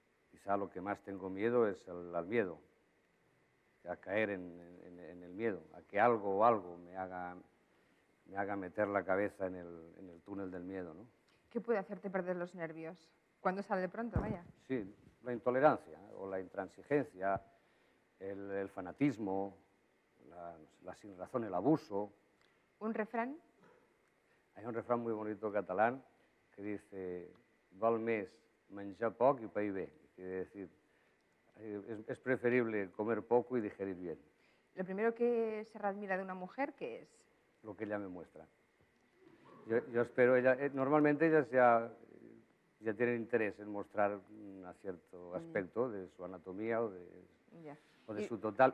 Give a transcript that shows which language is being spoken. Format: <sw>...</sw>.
<es>Quizá lo que más tengo miedo es al miedo, a caer en el miedo, a que algo o algo me haga meter la cabeza en el túnel del miedo, ¿no? ¿Qué puede hacerte perder los nervios? ¿Cuándo sale de pronto, vaya? Sí, la intolerancia o la intransigencia, el fanatismo, la sinrazón, el abuso. ¿Un refrán? Hay un refrán muy bonito catalán que dice</es> <ca>val més menjar poc i pair bé.</ca> <es>Quiere decir, es preferible comer poco y digerir bien. ¿Lo primero que se admira de una mujer qué es? Lo que ella me muestra. Yo espero, normalmente ellas ya tienen interés en mostrar un cierto aspecto de su anatomía o de su total.</es>